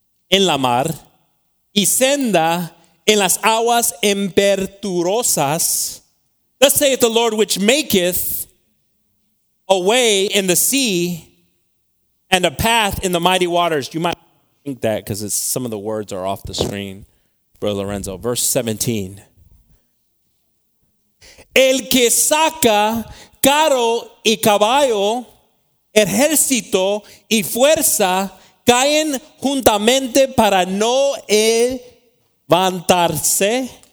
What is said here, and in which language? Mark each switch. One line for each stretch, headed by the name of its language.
Spanish: En la mar, y senda en las aguas imperturosas.
English: Thus saith the Lord, which maketh a way in the sea and a path in the mighty waters. You might think that because some of the words are off the screen, Brother Lorenzo. Verse 17.
Spanish: El que saca carro y caballo, ejército y fuerza caen juntamente para no levantarse.